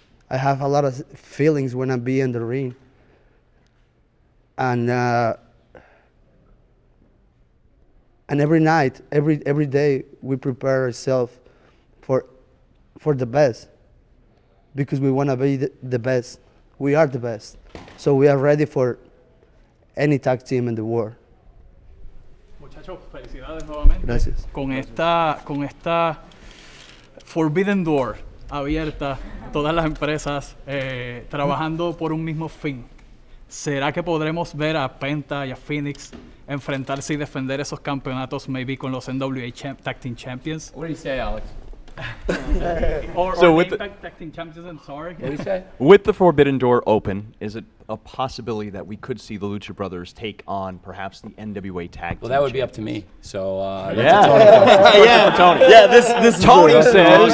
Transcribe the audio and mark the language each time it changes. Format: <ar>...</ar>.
<en>I have a lot of feelings when I be in the ring, and every night, every day, we prepare ourselves for the best, because we want to be the best. We are the best, so we are ready for any tag team in the world.</en> <es>Muchachos, felicidades nuevamente. Gracias. Con esta forbidden door abierta, todas las empresas trabajando por un mismo fin, ¿será que podremos ver a Penta y a Phoenix enfrentarse y defender esos campeonatos maybe con los NWA Tag Team Champions?</es> <en>What do you say, Alex? With the forbidden door open, is it a possibility that we could see the Lucha Brothers take on perhaps the NWA tag well, Well, that would be up to me. So Tony says</en>